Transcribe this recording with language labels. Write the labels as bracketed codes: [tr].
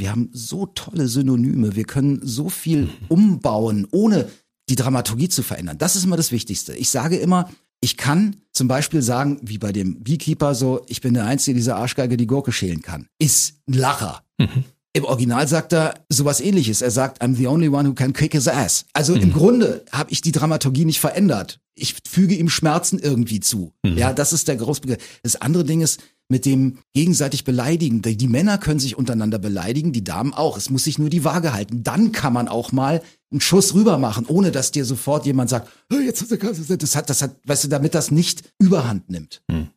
[de] Wir haben so tolle Synonyme. Wir können so viel umbauen, ohne die Dramaturgie zu verändern. Das ist immer das Wichtigste. Ich sage immer, ich kann zum Beispiel sagen, wie bei dem Beekeeper so, ich bin der Einzige dieser Arschgeige, die Gurke schälen kann. Ist ein Lacher. Im Original sagt er sowas Ähnliches. Er sagt, [en] I'm the only one who can kick his ass. [de] Also im Grunde habe ich die Dramaturgie nicht verändert. Ich füge ihm Schmerzen irgendwie zu. Mhm. Ja, das ist der Großbegriff. Das andere Ding ist mit dem gegenseitig beleidigen. Die Männer können sich untereinander beleidigen, die Damen auch. Es muss sich nur die Waage halten. Dann kann man auch mal einen Schuss rüber machen, ohne dass dir sofort jemand sagt, oh, jetzt hast du das hat, weißt du, damit das nicht überhand nimmt. Mhm.